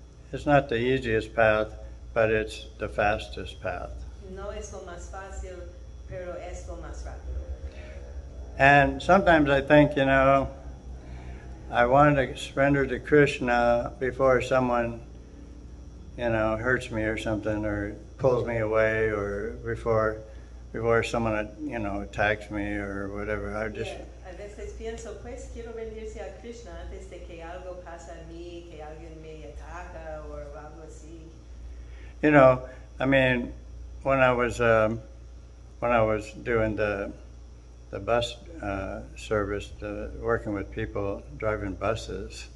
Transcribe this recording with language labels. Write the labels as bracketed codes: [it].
[en] It's not the easiest path, but it's the fastest path. [es] No es lo más fácil, pero es lo más rápido. [en] And sometimes I think, you know, I want to surrender to Krishna before someone, you know, hurts me or something, or pulls me away, or before someone, you know, attacks me or whatever. I just. Yeah. [es] A veces pienso, pues quiero rendirse a Krishna antes de que algo pase a mí, que alguien me ataca o algo así. [en] You know, I mean, when I was doing the bus service, working with people driving buses.